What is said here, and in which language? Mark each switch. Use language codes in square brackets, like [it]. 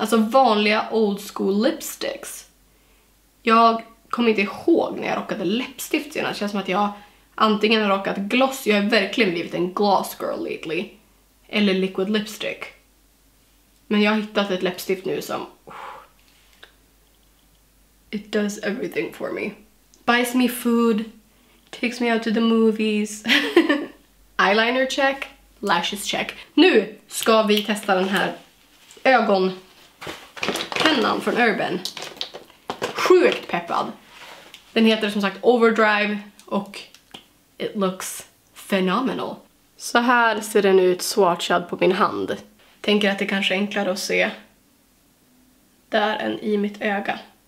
[sv] Alltså vanliga old school lipsticks. Jag kommer inte ihåg när jag rockade läppstift senast. Det känns som att jag antingen har rockat gloss. Jag har verkligen blivit en gloss girl [en] lately. [sv] Eller liquid lipstick. Men jag har hittat ett läppstift nu som... [en] It does everything for me. Buys me food. Takes me out to the movies. Eyeliner check. Lashes check. [sv] Nu ska vi testa den här ögonpennan från Urban. Sjukt peppad. Den heter som sagt Overdrive och [en] it looks phenomenal. [sv] Så här ser den ut swatchad på min hand. Tänker att det kanske är enklare att se där än i mitt öga.